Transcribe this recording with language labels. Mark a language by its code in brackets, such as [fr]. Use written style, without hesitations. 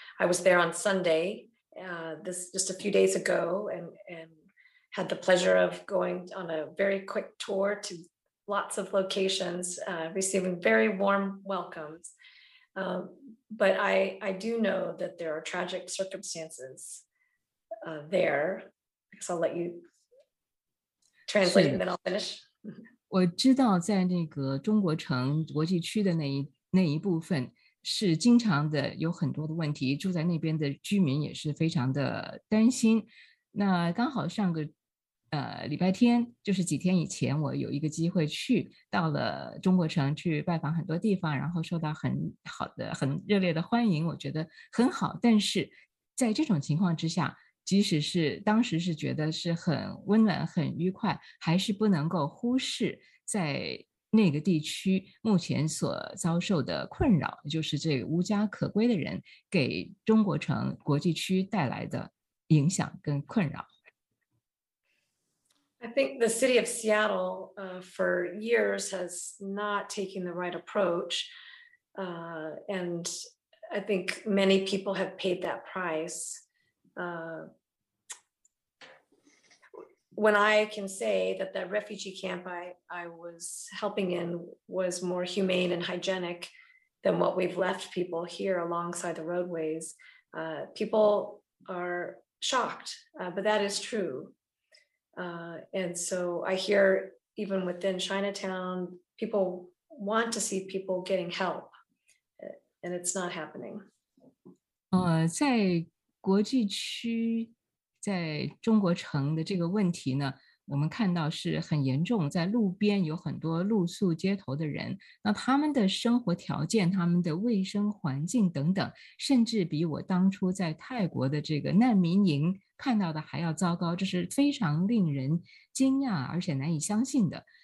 [en] I was there on Sunday, just a few days ago, and had the pleasure of going on a very quick tour to lots of locations, receiving very warm welcomes. But I do know that there are tragic circumstances there. So I'll let you translate and then I'll finish. [zh] 我知道在那个中国城国际区的那一部分是经常的有很多的问题，住在那边的居民也是非常的担心。那刚好上个礼拜天，就是几天以前，我有一个机会去到了中国城去拜访很多地方，然后受到很好的很热烈的欢迎，我觉得很好。但是在这种情况之下，即使是当时是觉得是很温暖很愉快，还是不能够忽视在那个地区目前所遭受的困扰，就是这个无家可归的人给中国城国际区带来的影响跟困扰。 [en] I think the city of Seattle for years has not taken the right approach, and I think many people have paid that priceWhen I can say that refugee camp I was helping in was more humane and hygienic than what we've left people here alongside the roadways, people are shocked, but that is true. And so I hear even within Chinatown, people want to see people getting help, and it's not happening. [zh] 在国际区在中国城的这个问题呢，我们看到是很严重，在路边有很多露宿街头的人，那他们的生活条件、他们的卫生环境等等，甚至比我当初在泰国的这个难民营看到的还要糟糕，这是非常令人惊讶而且难以相信的。